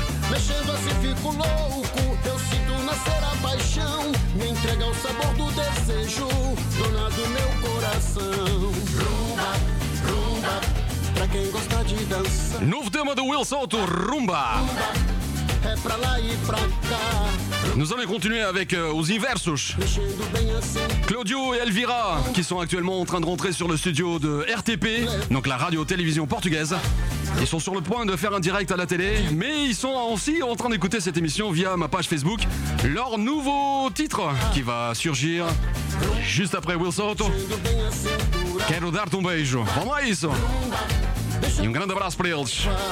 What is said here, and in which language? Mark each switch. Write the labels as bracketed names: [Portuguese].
[Portuguese] Mexendo assim fico louco, eu sinto nascer a paixão. Me entrega o sabor do desejo, dona do meu coração. Rumba, rumba, pra quem gosta de dançar. Novo tema do Will Sout, Rumba. Rumba. É pra lá e pra cá. [French] Nous allons continuer avec Os Inversos. Claudio et Elvira, qui sont actuellement en train de rentrer sur le studio de RTP, donc la radio-télévision portugaise. Ils sont sur le point de faire un direct à la télé, mais ils sont aussi en train d'écouter cette émission via ma page Facebook. Leur nouveau titre qui va surgir juste après Will Sout. [Portuguese] Quero dar-te um beijo. Vamos a isso. E um grande abraço para eles.